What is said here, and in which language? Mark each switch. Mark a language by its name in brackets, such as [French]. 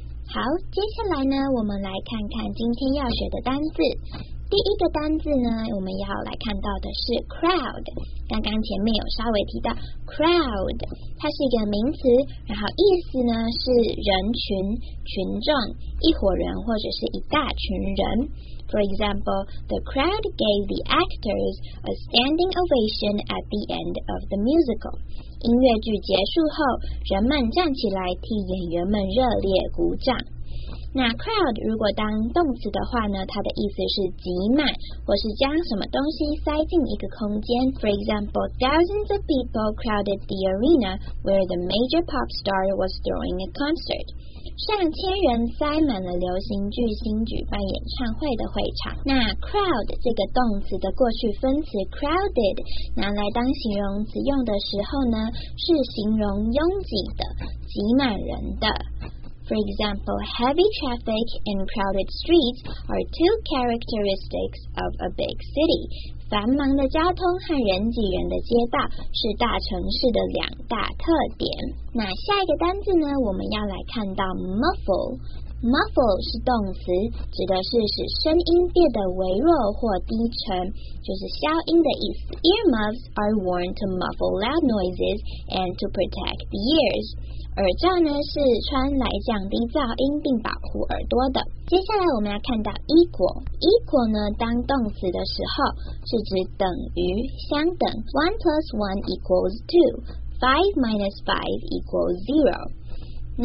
[Chinese] 好，接下来呢，我们来看看今天要学的单字。第一个单字呢，我们要来看到的是 crowd。刚刚前面有稍微提到 crowd， 它是一个名词，然后意思呢是人群、群众、一伙人或者是一大群人。 [English] For example, the crowd gave the actors a standing ovation at the end of the musical. [Chinese] 音乐剧结束后，人们站起来替演员们热烈鼓掌。那 crowd 如果当动词的话呢，它的意思是挤满，或是将什么东西塞进一个空间。 [English] For example, thousands of people crowded the arena where the major pop star was throwing a concert. [Chinese] 上千人塞满了流行巨星举办演唱会的会场。那 crowd 这个动词的过去分词 crowded 拿来当形容词用的时候呢，是形容拥挤的、挤满人的。 [English] For example, heavy traffic and crowded streets are two characteristics of a big city. [Chinese] 繁忙的交通和人挤人的街道是大城市的两大特点。那下一个单字呢，我们要来看到 muffle。 Muffle 是动词，指的是使声音变得微弱或低沉，就是消音的意思。 [English] Earmuffs are worn to muffle loud noises and to protect the ears. [Chinese] 耳罩呢是穿来降低噪音并保护耳朵的。接下来我们要看到 equal。equal 呢当动词的时候是指等于、相等。 [English] 1 plus 1 equals 2,5 minus 5 equals 0。